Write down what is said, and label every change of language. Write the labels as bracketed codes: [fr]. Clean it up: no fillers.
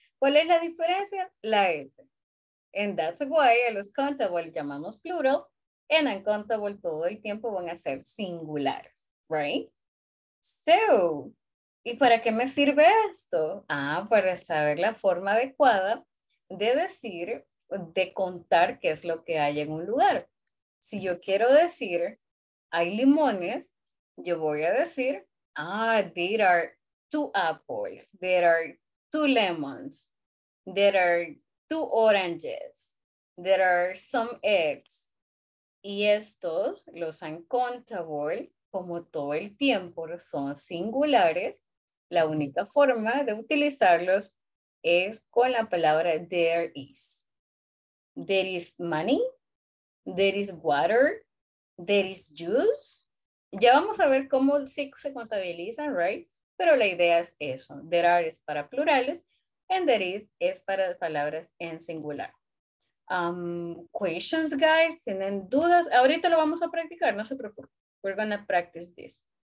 [es] ¿Cuál es la diferencia? La ed. [en] And that's why [es] a los contable llamamos plural. And uncountable todo el tiempo van a ser singulares, [en] right? So, [es] ¿y para qué me sirve esto? Ah, para saber la forma adecuada de decir, de contar qué es lo que hay en un lugar. Si yo quiero decir, hay limones, yo voy a decir, ah, [en] there are two apples, there are two lemons, there are two oranges, there are some eggs. [es] Y estos, los uncountable, como todo el tiempo son singulares, la única forma de utilizarlos es con la palabra there is. [en] There is money, there is water, there is juice. [es] Ya vamos a ver cómo sí se contabilizan, [en] right? [es] Pero la idea es eso. There are es para plurales and there is para palabras en singular. [en] Questions, guys? [es] ¿Tienen dudas? Ahorita lo vamos a practicar, no se preocupen. [en] We're going to practice this.